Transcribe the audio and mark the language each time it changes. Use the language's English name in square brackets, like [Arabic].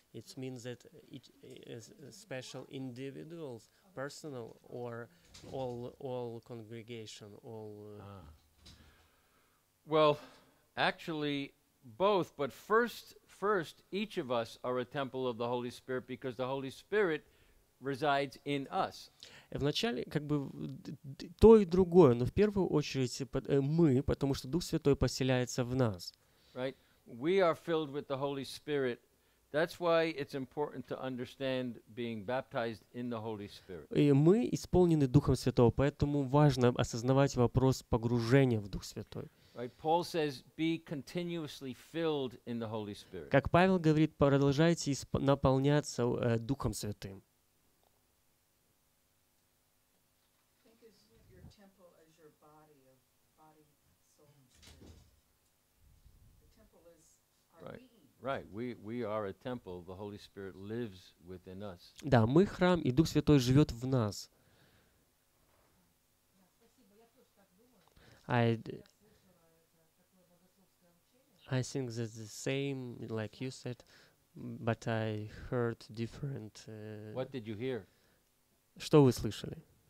[English] It means that it is special individuals, personal, or all congregation, all... Well, actually, both, but first, each of us are a temple of the Holy Spirit because the Holy Spirit resides in us. [Russian] Вначале как бы то и другое, но в первую очередь мы, потому что Дух Святой поселяется в нас. [English] Right? We are filled with the Holy Spirit. That's why it's important to understand being baptized in the Holy Spirit. [Russian] И мы исполнены Духом Святого, поэтому важно осознавать вопрос погружения в Дух Святой. [English] Right? Paul says be continuously filled in the Holy Spirit. [Russian] Как Павел говорит, продолжайте наполняться Духом Святым. [English] Right, we are a temple. The Holy Spirit lives within us. [Russian] Да, мы храм, и Дух Святой живет в нас. [English] I think that's the same like you said, but I heard different. What did you hear? [Russian] Что вы слышали?